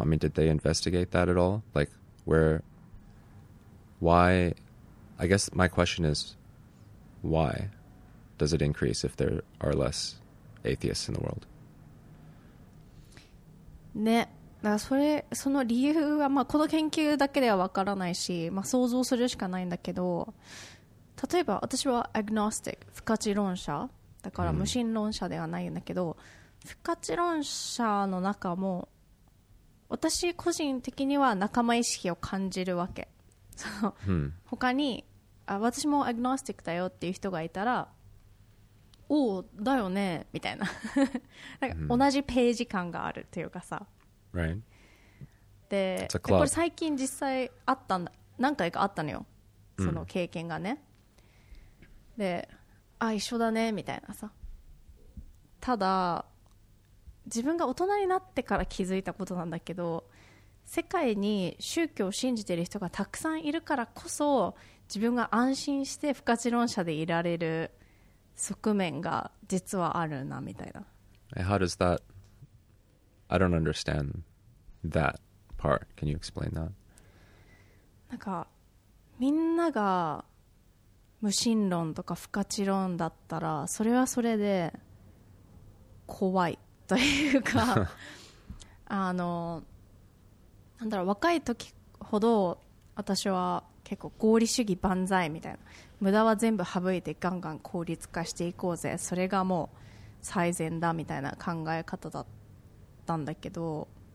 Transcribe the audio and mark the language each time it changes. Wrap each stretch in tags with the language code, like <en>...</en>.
<en>I mean, did they investigate that at all? Like, where, why, I guess my question is, why does it increase if there are less atheists in the world?</en> <ja>ね、だからその理由は、まあ、この研究だけではわからないし、まあ、想像するしかないんだけど、例えば私はアグノスティック、不可知論者、だから無神論者ではないんだけど、不可知論者の中も私個人的には仲間意識を感じるわけ。他に、あ、私もアグノスティックだよっていう人がいたら、おお、だよねみたいな、なんか同じページ感があるというかさ、で、これ最近実際あったんだ、何回かあったのよ、その経験がね、で、あ、一緒だねみたいなさ。ただ自分が大人になってから気づいたことなんだけど、世界に宗教を信じている人がたくさんいるからこそ、自分が安心して不可知論者でいられる側面が実はあるなみたいな。</ja> <en>How does that? I don't understand that part. Can you explain that?</en> <ja>なんかみんなが無神論とか不可知論だったらそれはそれで怖いというかあのなんだろう、若い時ほど私は結構合理主義万歳みたいな、無駄は全部省いてガンガン効率化していこうぜ、それがもう最善だみたいな考え方だったんだけど、</ja>